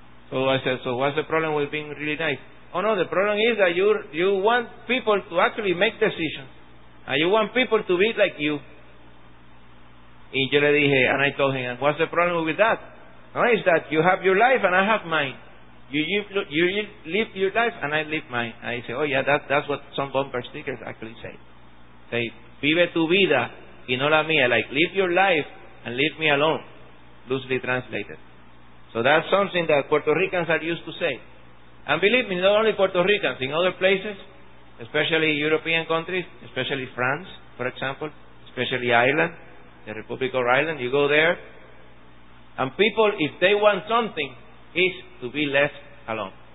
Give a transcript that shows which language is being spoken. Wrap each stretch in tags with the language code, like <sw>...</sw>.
<en>So I said, so what's the problem with being really nice? Oh no, the problem is that you want people to actually make decisions. And you want people to be like you.</en> <es>Y yo le dije,</es> <en>and I told him, what's the problem with that? No, it's that you have your life and I have mine. You live your life and I live mine. And I say, oh yeah, that's what some bumper stickers actually say.</en> <es>Say, vive tu vida y no la mía.</es> <en>Like, live your life and leave me alone. Loosely translated. So that's something that Puerto Ricans are used to say. And believe me, not only Puerto Ricans, in other places, especially European countries, especially France, for example, especially Ireland, the Republic of Ireland, you go there, and people, if they want something, is to be left alone.</en>